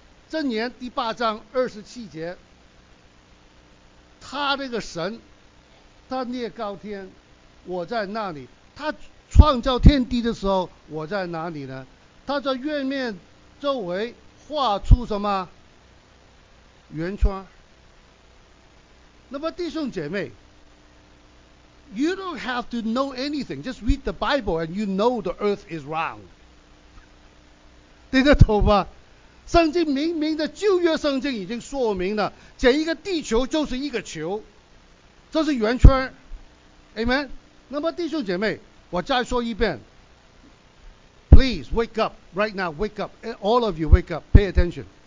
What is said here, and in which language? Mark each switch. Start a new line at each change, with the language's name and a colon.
Chinese: 箴言第八章二十七节，他这个神，他列高天，我在那里。他创造天地的时候，我在哪里呢？他在月面周围画出什么圆圈？那么弟兄姐妹，
English: You don't have to know anything, just read the Bible and you know the earth is round.
Chinese: 听得懂吗？圣经明明的旧约圣经已经说明了，这一个地球就是一个球，这是圆圈， Amen。那么弟兄姐妹，我再说一遍，
English: Please wake up right now, wake up, all of you wake up, pay attention。